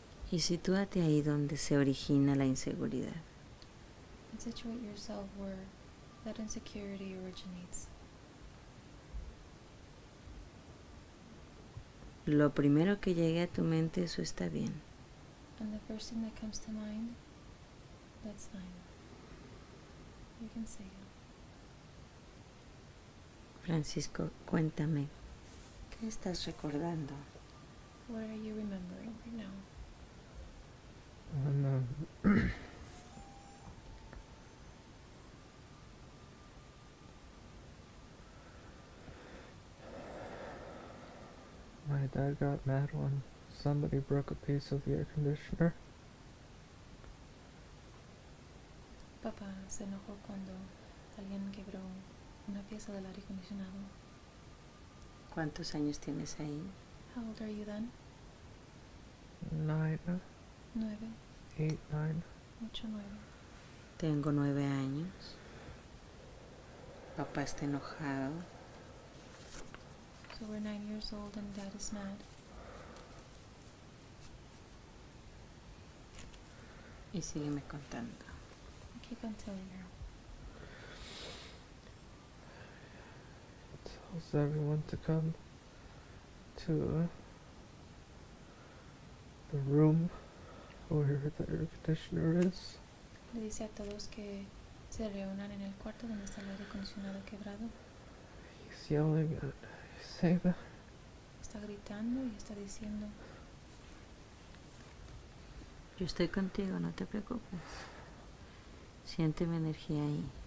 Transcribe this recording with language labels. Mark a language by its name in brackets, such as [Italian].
[Spanish] Y sitúate ahí donde se origina la inseguridad. [English] And situate yourself where that insecurity originates. [Spanish] Lo primero que llegue a tu mente, eso está bien. [English] And the first thing that comes to mind, that's fine. You can say it. [Spanish] Francisco, cuéntame, ¿qué estás recordando? [English] What are you remembering right now? My dad got mad when somebody broke a piece of the air conditioner. [Spanish] Papá se enojó cuando alguien quebró una pieza del aire acondicionado. ¿Cuántos años tienes ahí? [English] How old are you then? 9. 9. 8, 9. 8, 9. [Spanish] Tengo 9 años. Papá está enojado. [English] So we're 9 years old and dad is mad. [Spanish] Y sígueme contando. [English] I keep on telling her. Tells everyone to come to the room where the air conditioner is. [Spanish] Le dice a todos que se reúnan en el cuarto donde está el aire acondicionado quebrado. [English] He's yelling and say that. [Spanish] Está gritando y está diciendo. Yo estoy contigo, no te preocupes. Siente mi energía ahí.